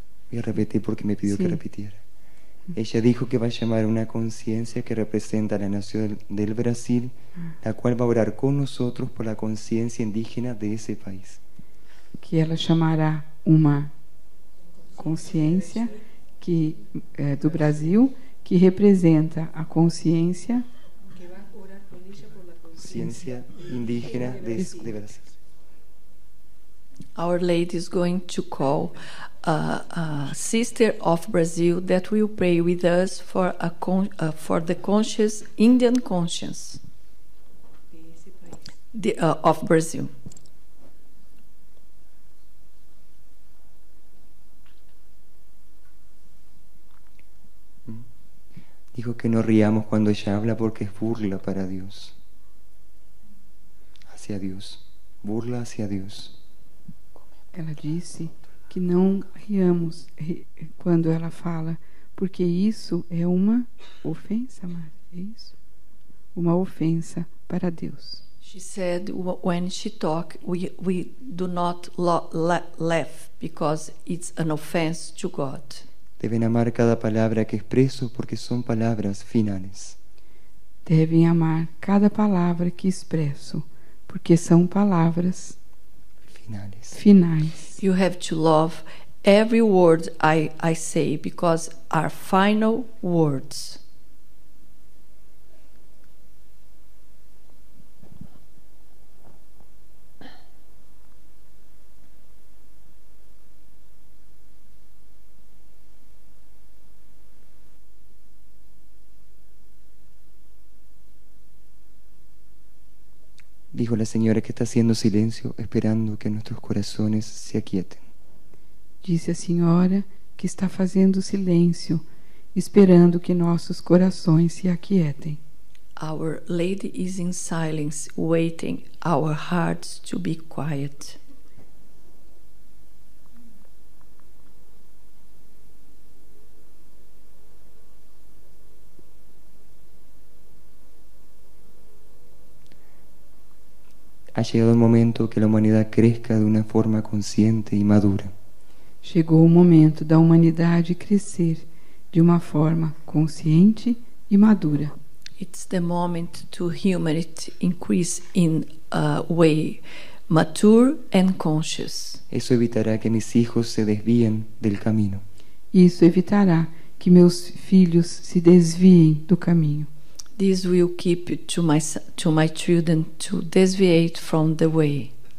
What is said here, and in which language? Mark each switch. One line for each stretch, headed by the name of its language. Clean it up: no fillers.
Spanish: Voy a repetir porque me pidió sí. Que repitiera. Ella dijo que va a llamar una conciencia que representa a la nación del Brasil, la cual va a orar con nosotros por la conciencia indígena de ese país. Que ella llamará una conciencia que
Portuguese: do Brasil
Spanish: que representa
Portuguese: a consciência
Spanish: que va a orar con ella por la conciencia indígena de Brasil.
English: Our Lady is going to call a sister of Brazil that will pray with us for a for the conscious Indian conscience of Brazil.
Spanish: Dijo que no riamos cuando ella habla porque es burla para Dios. Hacia Dios. Burla hacia Dios.
Portuguese: Ela disse que não riamos quando ela fala, porque isso é uma ofensa, Maria. É isso? Uma ofensa para Deus.
English: She said when she talk, we do not laugh because it's an offense to God.
Portuguese: Devem amar cada palavra que expresso porque são palavras finais. Devem amar cada palavra que expresso porque são palavras finais.
English: You have to love every word I say because are final words.
Spanish: Dijo la señora que está haciendo silencio esperando que nuestros corazones se aquieten. Dice la señora que está haciendo silencio esperando que nuestros corazones se aquieten.
English: Our Lady is in silence waiting our hearts to be quiet.
Spanish: Ha llegado el momento que la humanidad crezca de una forma consciente y madura. Llegó el momento de la humanidad crecer de una forma consciente y madura.
English: It's the moment to humanity increase in a way mature and conscious.
Spanish: Eso evitará que mis hijos se desvíen del camino.
Portuguese: Isso evitará que meus filhos se desviem do caminho.
English: This will keep to my children to deviate from the way.